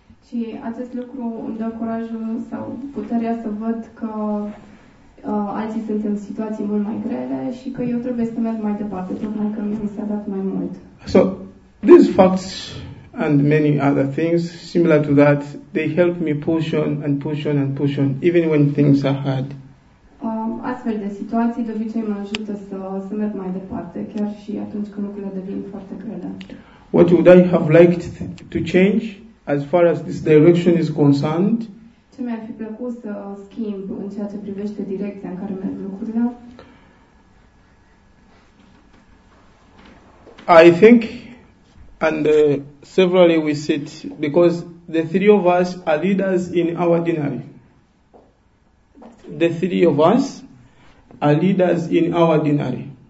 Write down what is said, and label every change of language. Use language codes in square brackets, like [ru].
[ro] Și acest lucru îmi dă curajul sau puterea să văd că alții sunt în situații mult mai grele și că eu trebuie să merg mai departe, tocmai că mi s-a dat mai mult. [en] So, these facts and many other things similar to that, they help me push on and push on and push on, even when things are hard. [ro] Astfel de situații de obicei mă ajută să merg mai departe, chiar și atunci când lucrurile devin foarte grele. [en] What would I have liked to change as far as this direction is concerned? [ro] Ce mi-ar fi plăcut să schimb în ceea ce privește direcția în care merg lucrurile? [en] I think, and severally we sit, because the three of us are leaders in our dinari. The three of us are leaders in our dinari.